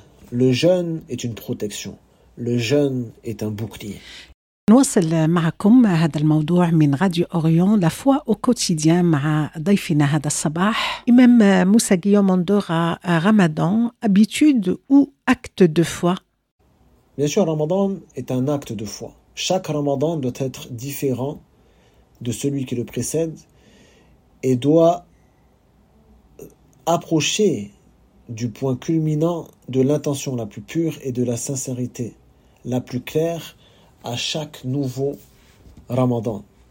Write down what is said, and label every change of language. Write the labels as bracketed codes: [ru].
[fr] Le jeûne est une protection. Le jeûne est un bouclier. [ar] نواصل معكم هذا الموضوع من راديو أوريون لفوا أو كوتيديان مع ضيفنا هذا الصباح إمام موسى غيوم أندورا رمضان [fr] habitude ou acte de foi. Bien sûr, Ramadan est un acte de foi. Chaque Ramadan doit être différent de celui qui le précède et doit approcher du point culminant de l'intention la plus pure et de la sincérité la plus claire à chaque nouveau Ramadan.